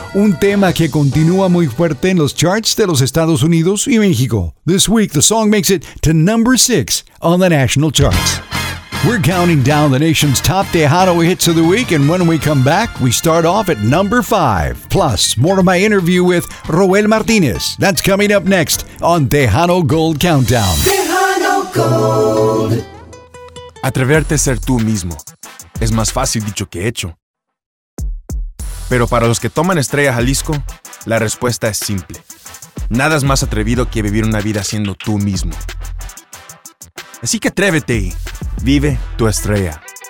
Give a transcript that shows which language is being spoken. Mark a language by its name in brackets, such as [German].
[Spanish] Un tema que continúa muy fuerte en los charts de los Estados Unidos y México. [English] This week, the song makes it to number 6 on the national charts. We're counting down the nation's top Tejano hits of the week, and when we come back, we start off at number 5. Plus, more of my interview with Roel Martinez. That's coming up next on Tejano Gold Countdown. Tejano Gold. [Spanish] Atreverte a ser tú mismo es más fácil dicho que hecho. Pero para los que toman Estrella Jalisco, la respuesta es simple. Nada es más atrevido que vivir una vida siendo tú mismo. Así que atrévete y vive tu estrella.